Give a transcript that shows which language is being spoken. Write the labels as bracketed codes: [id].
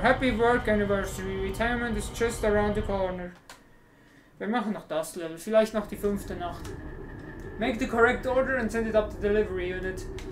[en] Happy work anniversary, retirement is just around the corner. [de] Wir machen noch das Level, vielleicht noch die fünfte Nacht. [en] Make the correct order and send it up to delivery unit.